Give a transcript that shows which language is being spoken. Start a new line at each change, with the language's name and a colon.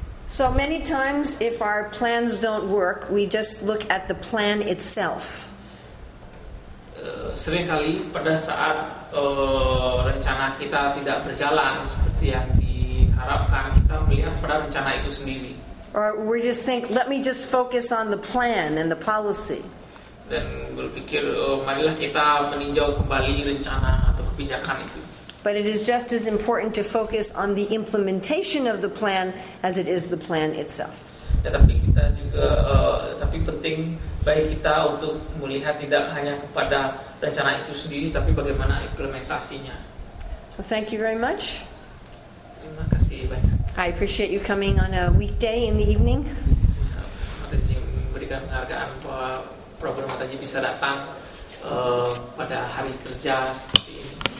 English: So many times, if our plans don't work, we just look at the plan itself.
Indonesian: Seringkali pada saat rencana kita tidak berjalan seperti yang diharapkan, kita melihat pada rencana itu sendiri.
English: Or we just think, let me just focus on the plan and the policy.
Indonesian: Dan berpikir, marilah kita meninjau kembali rencana atau kebijakan itu.
English: But it is just as important to focus on the implementation of the plan as it is the plan itself.
Indonesian: Tetapi kita juga, tapi penting bagi kita untuk melihat tidak hanya kepada rencana itu sendiri, tapi bagaimana implementasinya.
English: So thank you very much.
Indonesian: Terima kasih banyak.
English: I appreciate you coming on a weekday in the evening.
Indonesian: Mataji memberikan penghargaan bahwa Prabhu Mataji bisa datang pada hari kerja seperti ini.